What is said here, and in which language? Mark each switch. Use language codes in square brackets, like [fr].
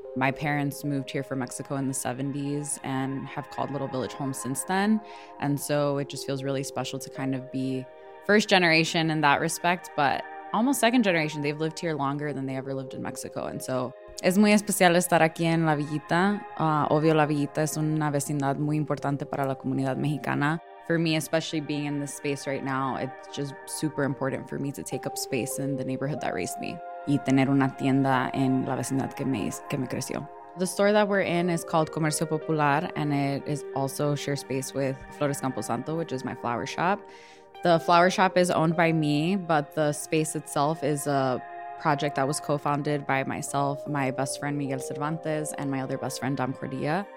[en] My parents moved here from Mexico in the 70s and have called Little Village home since then. And so it just feels really special to kind of be first generation in that respect, but almost second generation. They've lived here longer than they ever lived in Mexico. And so [es] es muy especial estar aquí en La Villita. Obvio, La Villita es una vecindad muy importante para la comunidad mexicana. [en] For me, especially being in this space right now, it's just super important for me to take up space in the neighborhood that raised me. [es] Y tener una tienda en la vecindad que me creció. [en] The store that we're in is called Comercio Popular, and it is also share space with Flores Camposanto, which is my flower shop. The flower shop is owned by me, but the space itself is a project that was co-founded by myself, my best friend Miguel Cervantes, and my other best friend Dom Cordilla.